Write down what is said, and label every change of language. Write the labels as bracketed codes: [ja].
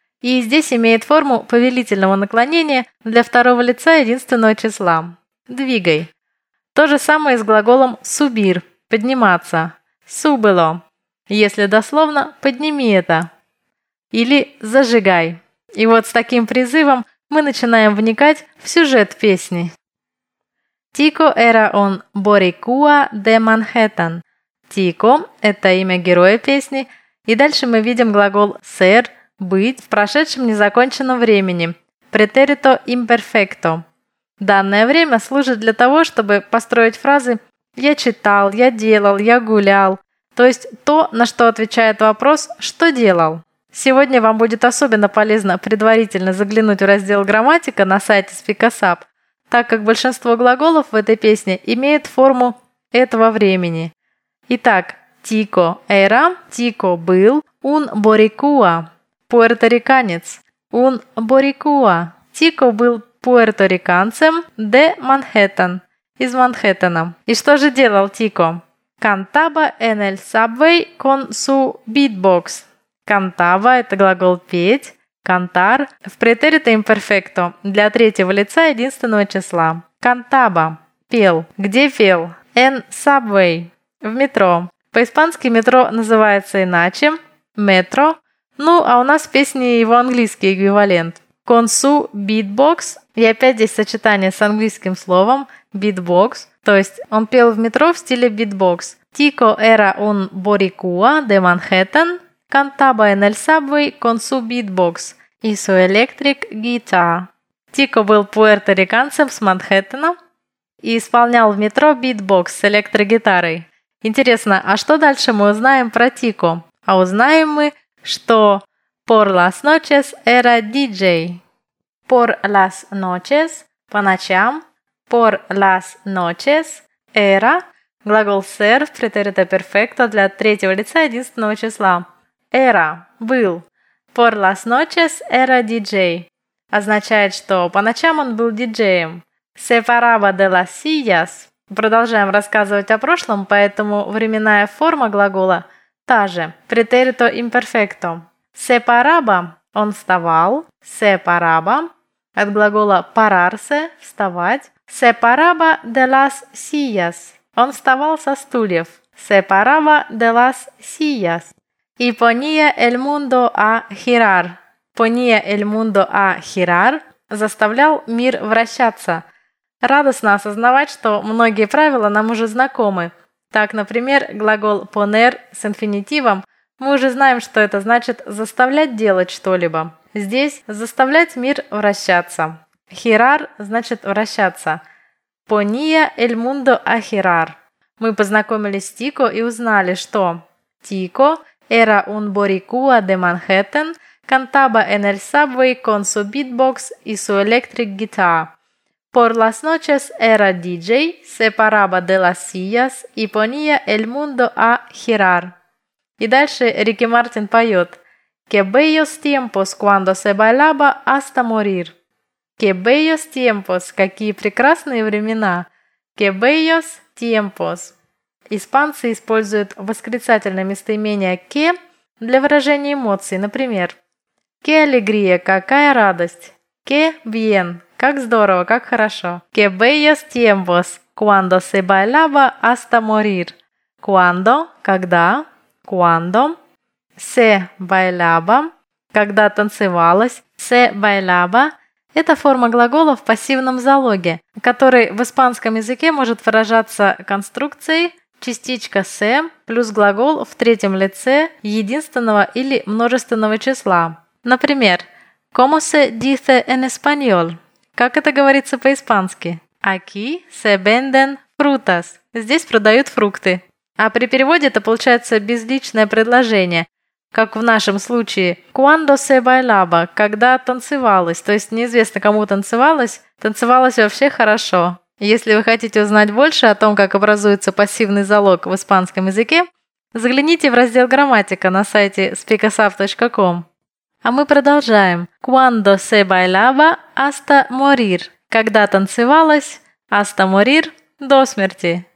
[ru] И здесь имеет форму повелительного наклонения для второго лица единственного числа. «Двигай». То же самое с глаголом «субир» – «подниматься». «Субило». Если дословно – «подними это». Или «зажигай». И вот с таким призывом мы начинаем вникать в сюжет песни. [es] Тико era un boricua de Manhattan. [ru] Тико – это имя героя песни. И дальше мы видим глагол ser – «быть» в прошедшем незаконченном времени. Претерито имперфекто. Данное время служит для того, чтобы построить фразы «я читал», «я делал», «я гулял», то есть то, на что отвечает вопрос «что делал?». Сегодня вам будет особенно полезно предварительно заглянуть в раздел «Грамматика» на сайте Speak-A-Sup, так как большинство глаголов в этой песне имеют форму этого времени. Итак, «тико [es] era», [ru] «тико был», [es] «un boricua», [ru] «пуэрториканец», «un boricua», «тико был пуэрториканцем де Манхэттен», «из Манхэттена». И что же делал Тико? [es] «Cantaba en el subway con su beatbox». [ru] «Cantaba» – это глагол «петь», «cantar» – в претерито имперфекто, для третьего лица единственного числа. «Cantaba» – пел. Где пел? «En subway» – в метро. По-испански метро называется иначе – «metro». Ну, а у нас в песне его английский эквивалент. [es] «Con su beatbox». [ru] И опять здесь сочетание с английским словом «beatbox», то есть он пел в метро в стиле beatbox. [es] «Tico era un boricua de Manhattan, cantaba en el subway con su beatbox y su [en] electric guitar». [ru] Тико был пуэрториканцем с Манхэттена и исполнял в метро beatbox с электрогитарой. Интересно, а что дальше мы узнаем про Тико? А узнаем мы, что [es] «por las noches era DJ». «Por las noches» – [ru] по ночам. «Por las noches» – «era» – глагол «ser» в претерито перфекто для третьего лица единственного числа. «Era» – «был». [es] «Por las noches era DJ» [ru] – означает, что по ночам он был диджеем. [es] «Separaba de las sillas» [ru] – продолжаем рассказывать о прошлом, поэтому временная форма глагола та же – претерито имперфекто. «Separaba» – «он вставал». «Separaba» от глагола «pararse» – «вставать». [es] «Separaba de las sillas» [ru] – «он вставал со стульев». [es] «Separaba de las sillas» – «y ponía el mundo a girar». «Ponía el mundo a girar» – [ru] «заставлял мир вращаться». Радостно осознавать, что многие правила нам уже знакомы. Так, например, глагол «poner» с инфинитивом мы уже знаем, что это значит «заставлять делать что-либо». Здесь «заставлять мир вращаться». «Хирар» значит «вращаться». [es] «Пония эль мундо а хирар». [ru] Мы познакомились с Тико и узнали, что [es] «Тико era un boricua de Manhattan, cantaba en el subway con su beatbox y su [en] electric guitar. [es] Por las noches era DJ, separaba de las sillas y ponía el mundo a girar». [ru] И дальше Рики Мартин поет [es] «Que bellos tiempos cuando se bailaba hasta morir». [ru] «Que bellos tiempos» – какие прекрасные времена. [es] «Que bellos tiempos». [ru] Испанцы используют восклицательное местоимение «que» для выражения эмоций, например. [es] «Que alegría» [ru] – какая радость. [es] «Que bien» [ru] – как здорово, как хорошо. [es] «Que bellos tiempos cuando se bailaba hasta morir». [ru] «Cuando» – когда. «Cuando» [es] «se bailaba» [ru] – когда танцевалась. «Se bailaba» – это форма глагола в пассивном залоге, который в испанском языке может выражаться конструкцией частичка «se» плюс глагол в третьем лице единственного или множественного числа. [es] Например, «¿Cómo se dice en español?» [ru] – как это говорится по-испански? [es] «Aquí se venden frutas» – [ru] здесь продают фрукты. А при переводе это получается безличное предложение, как в нашем случае [es] «cuando se bailaba» [ru] – «когда танцевалось», то есть неизвестно, кому танцевалось, танцевалось вообще хорошо. Если вы хотите узнать больше о том, как образуется пассивный залог в испанском языке, загляните в раздел «Грамматика» на сайте speakasap.com. А мы продолжаем. [es] «Cuando se bailaba hasta morir» – [ru] «когда танцевалось [es] hasta morir» – [ru] «до смерти».